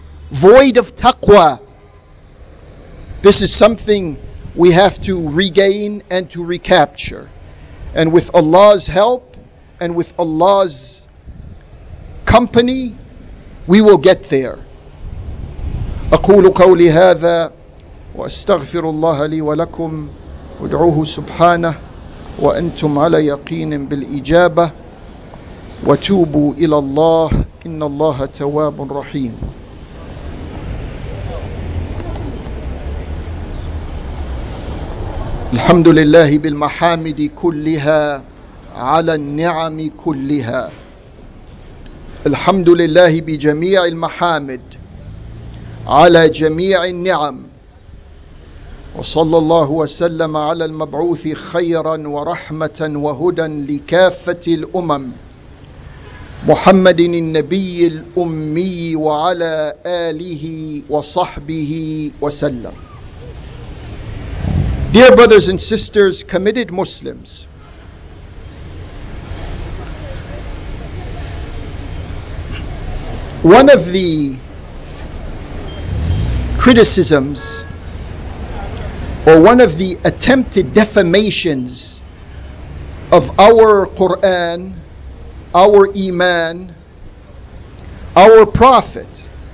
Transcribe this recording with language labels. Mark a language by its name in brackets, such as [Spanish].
[English] Void of taqwa. This is something we have to regain and to recapture. And with Allah's help and with Allah's company, we will get there. [Arabic] أقول قولي هذا وأستغفر الله لي ولكم وادعوه سبحانه وأنتم على يقين بالإجابة وتوبوا إلى الله إن الله تواب رحيم. الحمد لله بالمحامد كلها على النعم كلها. الحمد لله بجميع المحامد على جميع النعم. وصلى الله وسلم على المبعوث خيرا ورحمة وهدى لكافة الأمم محمد النبي الأمي وعلى آله وصحبه وسلم. [English] Dear brothers and sisters, committed Muslims, one of the criticisms or one of the attempted defamations of our Quran, our Iman, our Prophet,